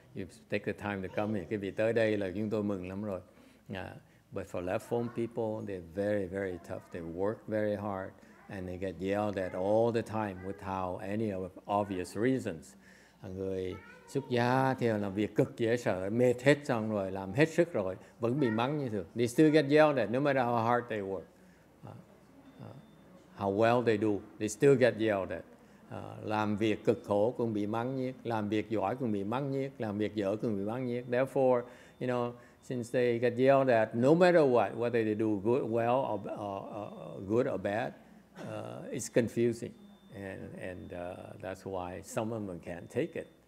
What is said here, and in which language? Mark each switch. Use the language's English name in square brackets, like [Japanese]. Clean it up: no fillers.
[English] You take the time to come here. [Vietnamese] Cái vị tới đây là chúng tôi mừng lắm rồi. [English] But for left-home people, they're very, very tough. They work very hard, and they get yelled at all the time without any obvious reasons. [Vietnamese] Người xuất gia thì làm việc cực dễ sợ, mệt hết xong rồi, làm hết sức rồi, vẫn bị mắng như thường. [English] They still get yelled at, no matter how hard they work. How well they do, they still get yelled at. [Vietnamese] Làm việc cực khổ cũng bị mắng nhiếc, làm việc giỏi cũng bị mắng nhiếc, làm việc dở cũng bị mắng nhiếc. [English] Therefore, you know, since they get yelled at, no matter what, whether they do good, well, or good or bad, it's confusing, and that's why some of them can't take it.